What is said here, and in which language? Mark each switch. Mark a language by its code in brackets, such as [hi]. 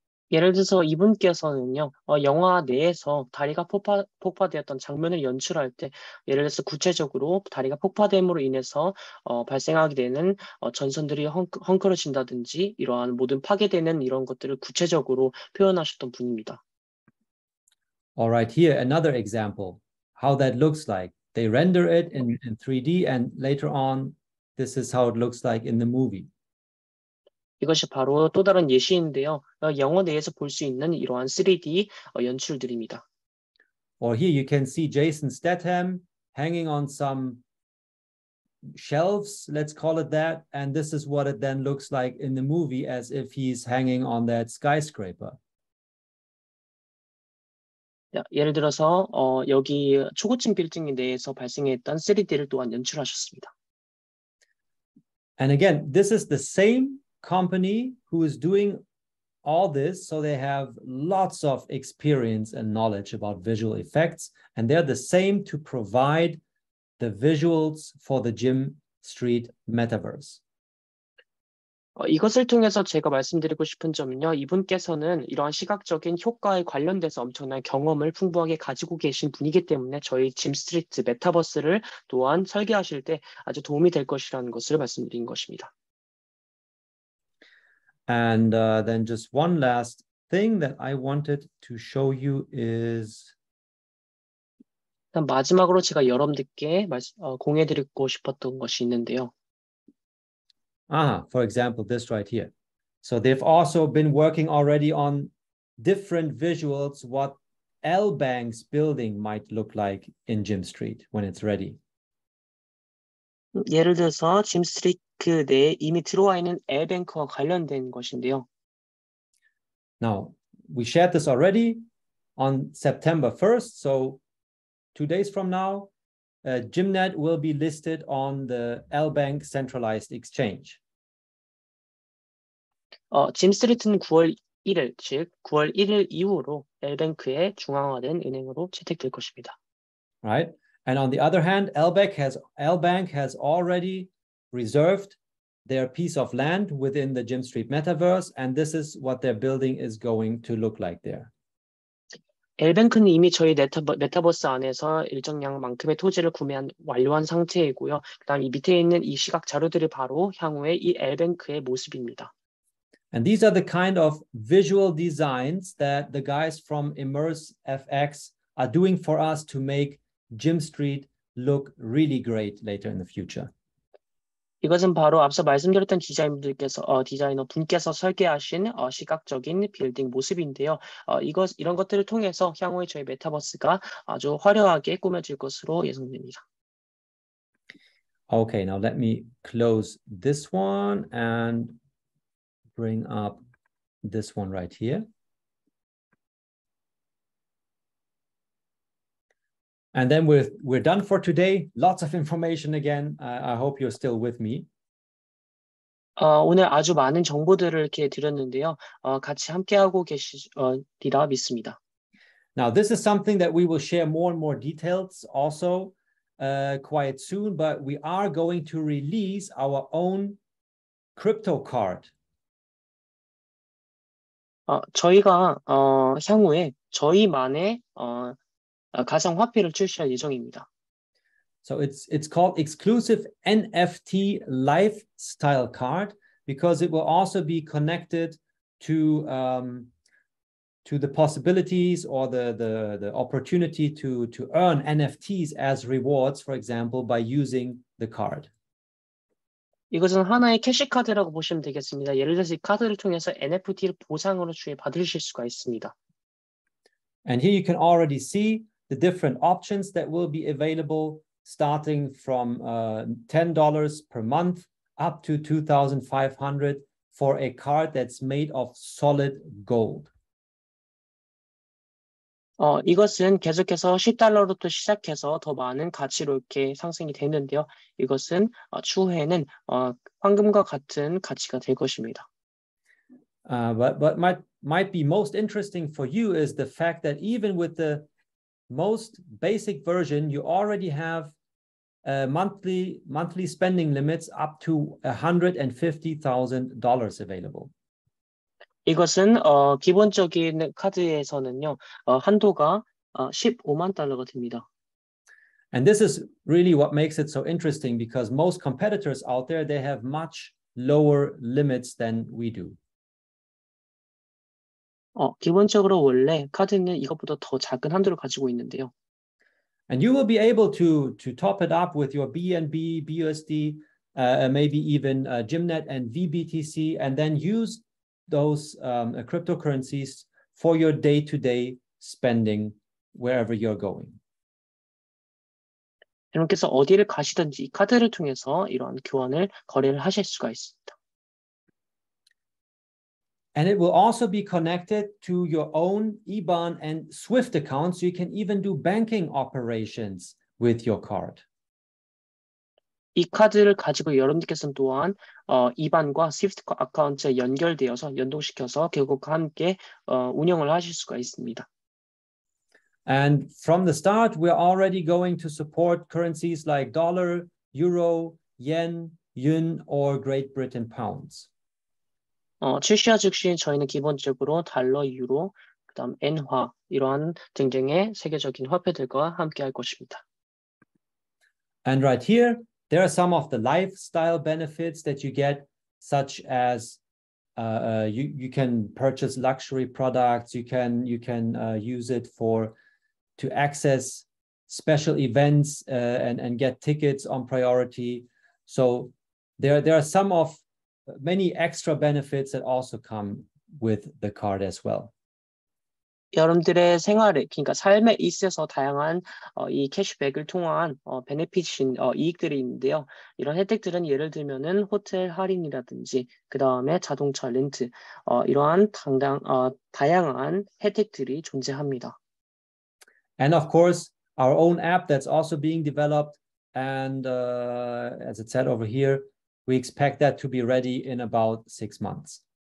[ko] 예를 들어서 이분께서는요, 영화 내에서 다리가 폭파되었던 장면을 연출할 때, 예를 들어서 구체적으로 다리가 폭파됨으로 인해서 발생하게 되는 전선들이 헝클어진다든지 이러한 모든 파괴되는 이런 것들을 구체적으로 표현하셨던 분입니다. [en] All right, here another example, how that looks like. They render it in 3D, and later on, this is how it looks like in the movie. [ko] 이것이 바로 또 다른 예시인데요. 영화 내에서 볼 수 있는 이러한 3D 연출들입니다. [en] Or here you can see Jason Statham hanging on some shelves, let's call it that, and this is what it then looks like in the movie as if he's hanging on that skyscraper. [ko] 예를 들어서 여기 초고층 빌딩 내에서 발생했던 3D를 또한 연출하셨습니다. [en] And again, this is the same company who is doing all this, so they have lots of experience and knowledge about visual effects, and they're the same to provide the visuals for the Gym Street Metaverse. [ko] 이것을 통해서 제가 말씀드리고 싶은 점은요, 이분께서는 이러한 시각적인 효과에 관련돼서 엄청난 경험을 풍부하게 가지고 계신 분이기 때문에 저희 Gym Street Metaverse를 또한 설계하실 때 아주 도움이 될 것이라는 것을 말씀드린 것입니다. [en] And then just one last thing that I wanted to show you is [ko] 일단 마지막으로 제가 여러분들께 공유해드리고 싶었던 것이 있는데요. [en] For example, this right here. So they've also been working already on different visuals, what L Bank's building might look like in Gym Street when it's ready. [ko] 예를 들어서 Gym Street 그 내에 이미 들어와 있는 L뱅크와 관련된 것인데요. [en] Now, we shared this already on September 1st. So, 2 days from now, Gymnet will be listed on the L-Bank centralized exchange. [ko] Gym Street는 9월 1일, 즉 9월 1일 이후로 L뱅크의 중앙화된 은행으로 채택될 것입니다. [en] Right. And on the other hand, L-Bank has already reserved their piece of land within the Gym Street Metaverse, and this is what their building is going to look like there. [ko] L뱅크는 이미 저희 메타버스 안에서 일정량만큼의 토지를 구매한 완료한 상태이고요. 그다음 이 밑에 있는 이 시각 자료들이 바로 향후의 이 L뱅크의 모습입니다. [en] And these are the kind of visual designs that the guys from Immerse FX are doing for us to make Gym Street look really great later in the future. [ko] 이것은 바로 앞서 말씀드렸던 디자이너 분께서 설계하신 시각적인 빌딩 모습인데요. 이런 것들을 통해서 향후에 저희 메타버스가 아주 화려하게 꾸며질 것으로 예상됩니다. [en] Okay, now let me close this one and bring up this one right here. And then we're done for today. Lots of information again. I hope you're still with me. [ko] 오늘 아주 많은 정보들을 이렇게 드렸는데요. 같이 함께하고 계시리라 믿습니다. [en] Now, this is something that we will share more and more details also quite soon, but we are going to release our own crypto card. [ko] 저희가 향후에 저희만의 가상화폐를 출시할 예정입니다. [en] So it's called exclusive NFT lifestyle card because it will also be connected to the possibilities or the opportunity to earn NFTs as rewards, for example, by using the card. [ko] 이것은 하나의 캐시카드라고 보시면 되겠습니다. 예를 들어서 이 카드를 통해서 NFT를 보상으로 받으실 수가 있습니다. [en] And here you can already see the different options that will be available starting from $10 per month up to $2,500 for a card that's made of solid gold. [ko] 이것은 계속해서 10달러로부터 시작해서 더 많은 가치로 이렇게 상승이 되는데요. 이것은 추후에는 황금과 같은 가치가 될 것입니다. [en] But might be most interesting for you is the fact that even with the most basic version, you already have monthly spending limits up to $150,000 available. [ko] 이것은 기본적인 카드에서는요 한도가 15만 달러가 됩니다. [en] And this is really what makes it so interesting because most competitors out there they have much lower limits than we do. [ko] 기본적으로 원래 카드는 이것보다 더 작은 한도를 가지고 있는데요. [en] And you will be able to top it up with your BNB, BUSD, maybe even Gymnet and VBTC, and then use those cryptocurrencies for your day-to-day spending wherever you're going. [ko] 여러분께서 어디를 가시든지 카드를 통해서 이러한 교환을 거래를 하실 수가 있습니다. [en] And it will also be connected to your own IBAN and SWIFT accounts. You can even do banking operations with your card. [ko] 이 카드를 가지고 여러분들께서는 또한 IBAN과 SWIFT 아카운트에 연결되어서 연동시켜서 결국 함께 운영을 하실 수가 있습니다. [en] And from the start, we're already going to support currencies like dollar, euro, yen, yuan, or Great Britain pounds. [ko] 출시와 즉시 저희는 기본적으로 달러, 유로, 그다음 엔화 이러한 등등의 세계적인 화폐들과 함께할 것입니다. [en] And right here, there are some of the lifestyle benefits that you get, such as you can purchase luxury products, you can use it to access special events and get tickets on priority. So there are some of many extra benefits that also come with the card as well. [ko] 여러분들의 생활에 그러니까 삶에 있어서 다양한 이 캐시백을 통한 베네핏인 이익들이 있는데요. 이런 혜택들은 예를 들면은 호텔 할인이라든지 그다음에 자동차 렌트 이러한 다양한 혜택들이 존재합니다. [en] And of course, our own app that's also being developed and as it said over here, we expect that to be ready in about 6 months.